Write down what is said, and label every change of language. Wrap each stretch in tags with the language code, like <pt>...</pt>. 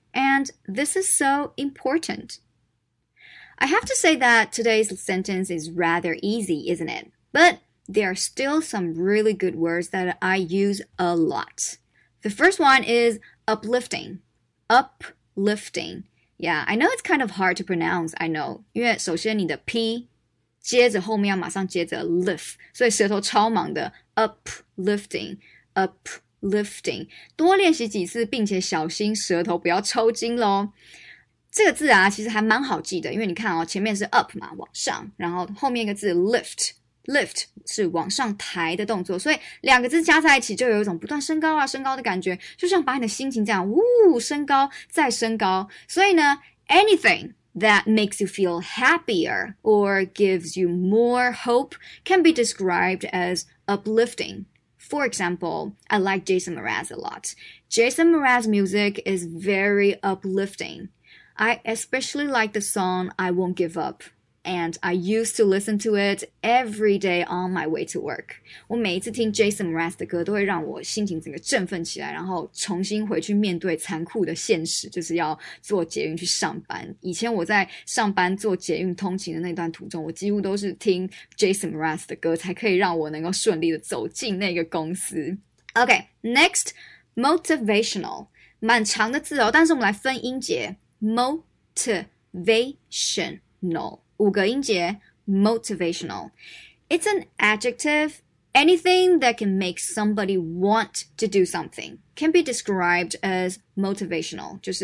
<en>And this is so important. I have to say that today's sentence is rather easy, isn't it? But there are still some really good words that I use a lot. The first one is uplifting. Uplifting. Yeah, I know it's kind of hard to pronounce, I know.</en> <zh>因为首先你的 P 接着后面要马上接着 lift， 所以舌头超忙的 uplifting， uplifting， 多练习几次，并且小心舌头不要抽筋咯。这个字啊，其实还蛮好记的，因为你看哦，前面是 up 嘛，往上，然后后面一个字 lift， lift 是往上抬的动作，所以两个字加在一起就有一种不断升高啊，升高的感觉，就像把你的心情这样，呜，升高，再升高。所以呢 ，</zh> <en>anything that makes you feel happier or gives you more hope can be described as uplifting. For example, I like Jason Mraz a lot. Jason Mraz music is very uplifting. I especially like the song I Won't Give Up, and I used to listen to it every day on my way to work.</en> <zh>我每一次听 Jason Mraz 的歌，都会让我心情整个振奋起来，然后重新回去面对残酷的现实，就是要坐捷运去上班。以前我在上班坐捷运通勤的那段途中，我几乎都是听 Jason Mraz 的歌，才可以让我能够顺利的走进那个公司。</zh> <en>Okay, next, motivational.</en> <zh>蛮长的字哦，但是我们来分音节 motivational. 五个音节, motivational.</zh> <en>It's an adjective. Anything that can make somebody want to do something can be described as motivational.</en>